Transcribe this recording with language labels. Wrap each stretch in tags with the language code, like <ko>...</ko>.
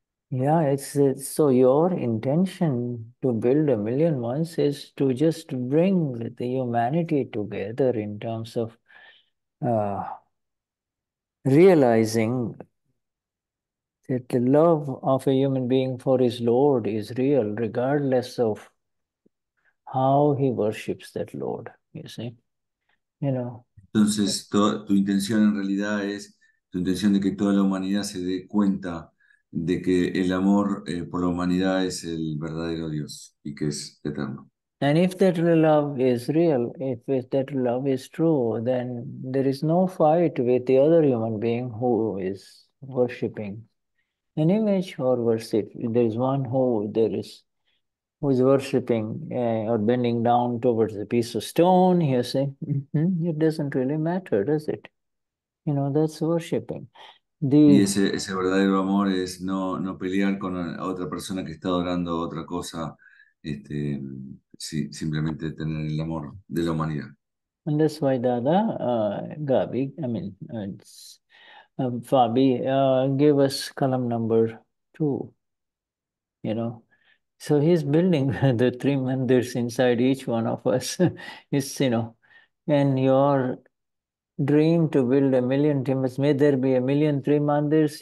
<en>It's so your intention to build a million ones is to just bring the humanity together in terms of realizing that the love of a human being for his Lord is real, regardless of how he worships that Lord, you see. You know.</en> <es>Entonces, tu intención en realidad es tu intención de que toda la humanidad se dé cuenta de que el amor por la humanidad es el verdadero Dios y que es eterno.</es> <en>And if that love is real, if that love is true, then there is no fight with the other human being who is worshiping an image or worship. There is one who is worshipping or bending down towards a piece of stone, you see. It doesn't really matter, does it? You know, that's worshipping.</en> <es>Y ese verdadero amor es no pelear con otra persona que está adorando otra cosa, simplemente tener el amor de la humanidad.</es> <en>And that's why Dada, Gabi, I mean, it's, Fabi, give us column number 2, you know, So he's building the three mandirs inside each one of us. It's, you know, and your dream to build a million temples, may there be a million three mandirs?</en>